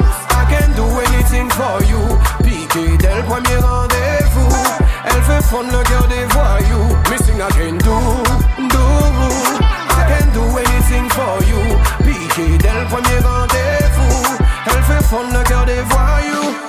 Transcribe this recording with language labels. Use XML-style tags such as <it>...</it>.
<en>I can do anything for you.</en> <fr>Premier rendez-vous, elle fait fondre le cœur des voyous.</fr> <en>Missing again, do. I can do anything for you.</en> <fr>Piqué dès le premier rendez-vous, elle fait fondre le cœur des voyous.</fr>